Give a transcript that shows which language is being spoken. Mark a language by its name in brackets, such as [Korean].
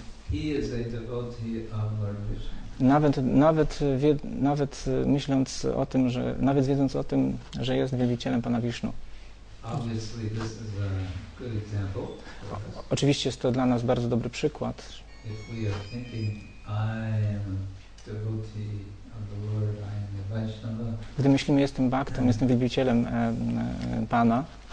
[English] He is a devotee of Lord Vishnu. [Polish] Nawet myśląc o tym, że nawet wiedząc o tym, że jest wielbicielem Pana Wisznu. [English] Obviously this is a good example. [Polish] Oczywiście jest to dla nas bardzo dobry przykład. [English] If we are thinking, I am a devotee of the Lord, I am a Vaishnava. [Polish] Gdy myślimy, jestem baktem, jestem wielbicielem Pana.